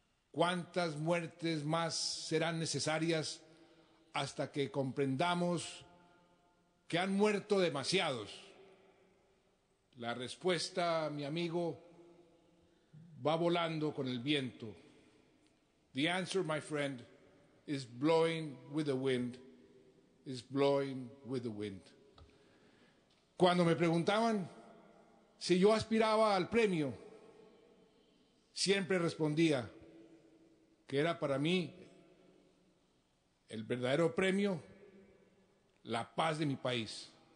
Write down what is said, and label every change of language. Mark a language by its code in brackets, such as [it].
[es] ¿Cuántas muertes más serán necesarias hasta que comprendamos que han muerto demasiados? La respuesta, mi amigo, va volando con el viento. [en] The answer, my friend, is blowing with the wind, is blowing with the wind. [es] Cuando me preguntaban si yo aspiraba al premio, siempre respondía que era para mí el verdadero premio, la paz de mi país.